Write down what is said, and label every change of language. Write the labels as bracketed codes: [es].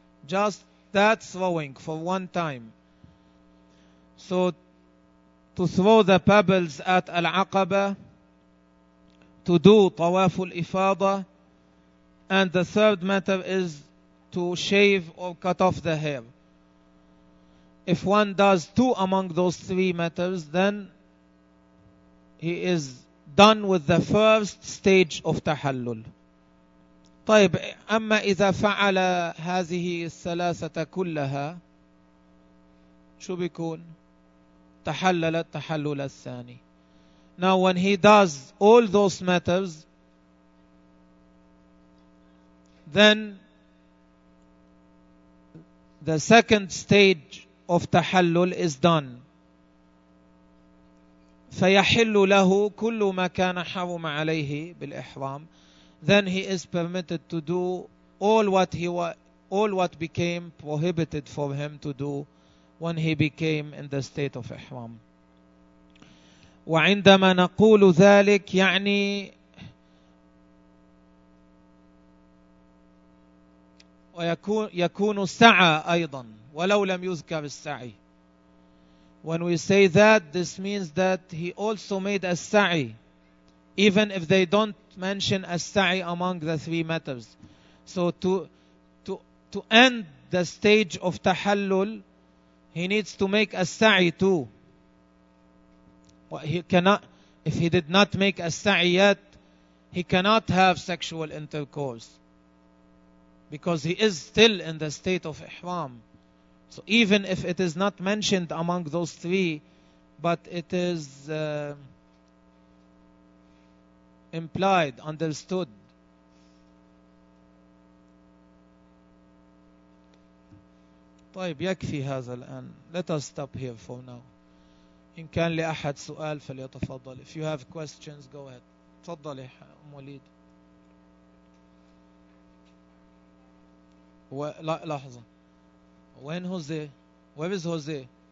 [en] Just that throwing for one time. So, to throw the pebbles at Al-Aqaba, to do Tawaf Al-Ifada, and the third matter is to shave or cut off the hair. If one does two among those three matters, then he is done with the first stage of tahallul. [ar] طيب أما إذا فعل هذه الثلاثة كلها شو بيكون? تحلل التحلل الثاني. [en] Now when he does all those matters, then the second stage of tahallul is done. [ar] فيحل له كل ما كان حرم عليه بالإحرام. [en] Then he is permitted to do all what became prohibited for him to do when he became in the state of Ihram. [ar] وعندما نقول ذلك يعني ويكون سعى أيضا ولو لم يذكر السعي. [en] When we say that, this means that he also made a sa'i, even if they don't mention a sa'i among the three matters. So to end the stage of tahallul, he needs to make a sa'i too. Well, if he did not make a sa'i yet, he cannot have sexual intercourse because he is still in the state of ihram. So even if it is not mentioned among those three, but it is implied, understood. [ar] طيب يكفي هذا الآن. [en] Let us stop here for now. [ar] إن كان لأحد سؤال فليتفضل. [en] If you have questions, go ahead. [ar] تفضل يا أم وليد. لحظة. [en] When Jose? Where is Jose?